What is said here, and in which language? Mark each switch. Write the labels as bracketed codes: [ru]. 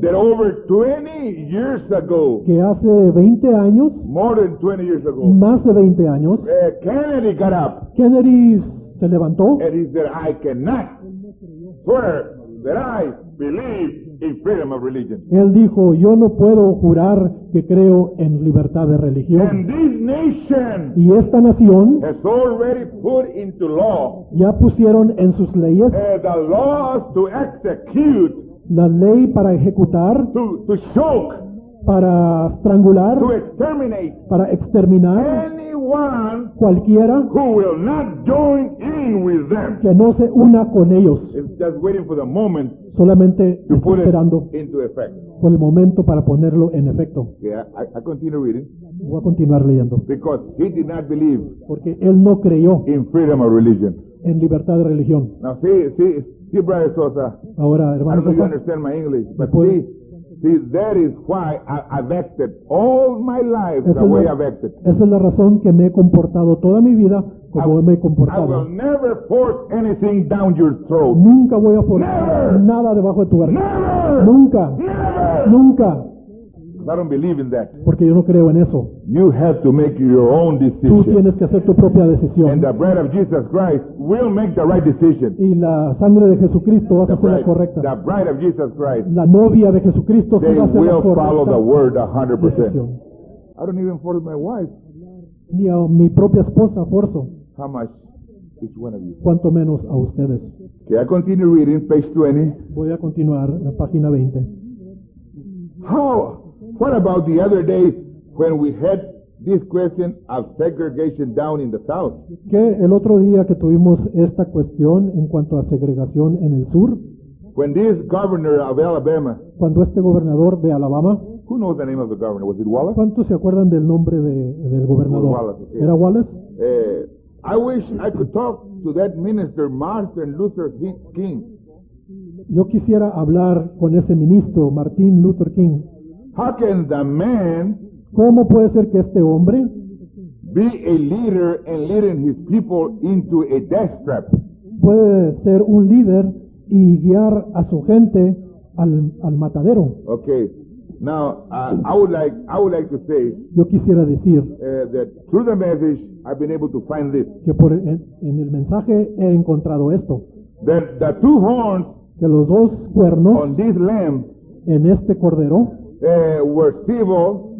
[en] That over 20 years ago. [es] Que hace 20 años. [en] More than 20 years ago. [es] Más de 20 años. [en] Kennedy got up. [es] Kennedy se levantó. [en] And he said, I cannot swear that I believe in freedom of religion. [es] Él dijo, yo no puedo jurar que creo en libertad de religión. [en] And this nation, [es] y esta nación, [en] has already put into law, [es] ya pusieron en sus leyes, [en] the laws to execute, [es] la ley para ejecutar, [en] to choke, [es] para estrangular, [en] to exterminate, [es] para exterminar, [en] anyone, [es] cualquiera, [en] who will not join in with them, [es] que no se una con ellos. [en] It's just waiting for the moment. [es] Solamente esperando por el momento para ponerlo en efecto. [en] Yeah, I continue reading. [es] Voy a continuar leyendo. [en] Because he did not believe, [es] porque él no creyó [en] in freedom of religion, [es] en libertad de religión. [en] Now, see, brother Sosa. [es] Ahora, hermano, [en] I don't know if you understand my English, but see, that is why I've acted all my life the way I've acted. [es] Esa es la razón que me he comportado toda mi vida como me he comportado. [en] I will never force anything down your throat. [es] Nunca voy a forzar nada debajo de tu garganta. [en] Never. [es] Nunca. [en] Never. [es] Nunca. [en] I don't believe in that. [es] Porque yo no creo en eso. [en] You have to make your own decision. [es] Tú tienes que hacer tu propia decisión. [en] And the bread of Jesus Christ will make the right decision. [es] Y la sangre de Jesucristo va a ser la correcta. [en] The bride of Jesus Christ. [es] La novia de Jesucristo se va a ser la correcta. [en] They will follow the word 100%. I don't even force my wife. [es] Ni a mi propia esposa forzo. [en] How much each one of you? [es] Cuanto menos a ustedes. [en] Okay, I continue reading page 20. [es] Voy a continuar la página 20. [en] How? What about the other day when we had this question of segregation down in the south? [es] ¿Qué el otro día que tuvimos esta cuestión en cuanto a segregación en el sur? [en] When this governor of Alabama, [es] cuando este gobernador de Alabama, [en] who knows the name of the governor? Was it Wallace? [es] ¿Cuántos se acuerdan del nombre del gobernador? [en] Wallace, okay. [es] ¿Era Wallace? [en] I wish I could talk to that minister Martin Luther King. [es] Yo quisiera hablar con ese ministro Martin Luther King. [en] How can the man, [es] ¿cómo puede ser que este hombre, [en] be a leader and leading his people into a death trap? [es] Puede ser un líder y guiar a su gente al matadero. [en] Okay. Now, I would like to say, [es] yo quisiera decir, [en] that through the message I've been able to find this. [es] Que en el mensaje he encontrado esto. [en] That the two horns, [es] que los dos cuernos, [en] on this lamb, [es] en este cordero, [en] were civil,